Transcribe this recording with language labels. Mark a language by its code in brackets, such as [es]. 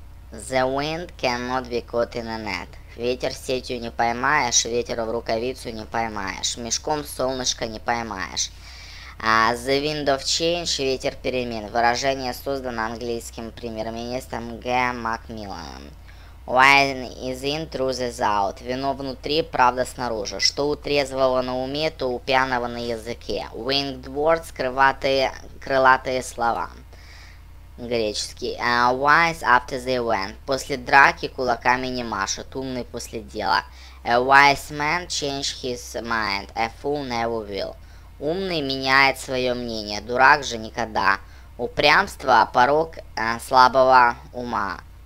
[en] The wind cannot be caught in a net. [ru] Ветер сетью не поймаешь, ветер в рукавицу не поймаешь, мешком солнышко не поймаешь. [en] The wind of change, [ru] ветер перемен. Выражение создано английским премьер-министром Г. [en] Макмилланом. Wine is in, truth is out. [ru] Вино внутри, правда снаружи. Что у трезвого на уме, то у пьяного на языке. [en] Winged words, [ru] крылатые слова. [en] Греческий. Wise after the win. [ru] После драки кулаками не машет. Умный после дела. [en] A wise man changed his mind. A fool never will. [ru] Умный меняет свое мнение. Дурак же никогда. Упрямство – порог слабого ума.